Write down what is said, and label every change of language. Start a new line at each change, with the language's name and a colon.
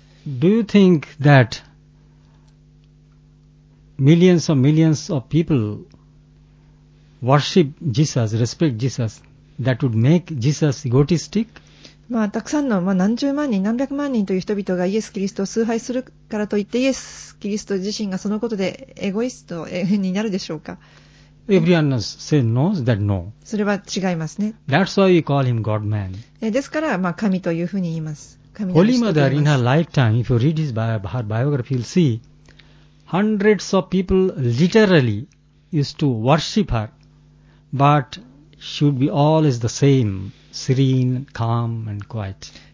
English: Do you think that millions and millions of people worship Jesus, respect Jesus, that would make Jesus egotistic?
Japanese: まあ、たくさんの、まあ、何十万人何百万人という人々がイエス・キリストを崇拝するからといってイエス・キリスト自身がそのことでエゴイストになるでしょうか。
English: Everyone says no, that no.
Japanese: それは違いますね。
English: That's why we call him God-man.
Japanese: ですから、まあ、神というふうに言います。
English: Holy Mother in her lifetime, if you read his her biography, you'll see hundreds of people literally used to worship her, but she would be always the sameserene, calm and quiet.